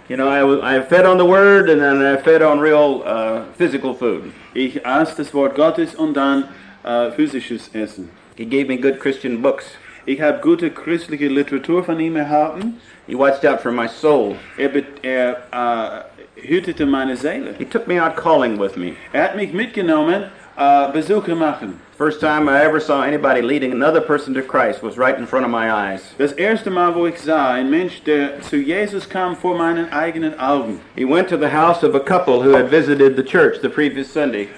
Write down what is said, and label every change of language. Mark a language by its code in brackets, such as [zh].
[en] You know, I fed on the Word, and then I fed on real physical food. [de] Ich aß das Wort Gottes und dann physisches Essen. [en] He gave me good Christian books. [de] Ich habe gute christliche Literatur von ihm erhalten. [en] He watched out for my soul. [de] Er hütete meine Seele. [en] He took me out calling with me. [de] Er hat mich mitgenommen, Besuche machen. [en] First time I ever saw anybody leading another person to Christ was right in front of my eyes. [de] Das erste Mal, wo ich sah, ein Mensch, der zu Jesus kam vor meinen eigenen Augen. [en] He went to the house of a couple who had visited the church the previous Sunday.